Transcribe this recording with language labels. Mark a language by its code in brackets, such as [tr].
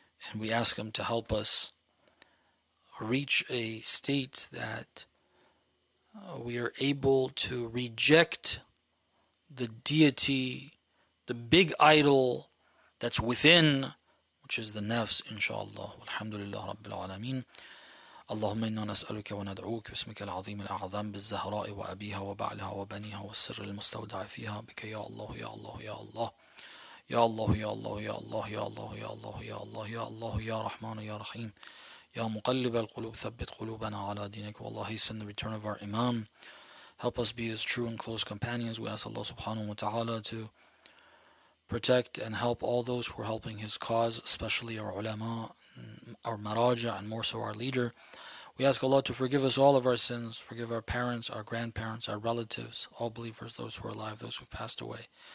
[en] And we ask Him to help us reach a state that we are able to reject the deity, the big idol that's within, which is the nafs, inshallah. Alhamdulillah, Rabbil Alameen. [ar] اللهم إنا نسألك وندعوك باسمك العظيم الأعظم بالزهراء وأبيها وبعلها وبنيها والسر المستودع فيها بك يا الله يا الله يا الله يا الله يا الله يا الله يا الله يا الله يا الله يا الله يا رحمن يا رحيم يا مقلب القلوب ثبت قلوبنا على دينك والله [en] send the return of our imam. Help us be his true and close companions. We ask Allah subhanahu wa ta'ala to protect and help all those who are helping his cause, especially our ulama, our maraja, and more so our leader. We ask Allah to forgive us all of our sins, forgive our parents, our grandparents, our relatives, all believers, those who are alive, those who have passed away.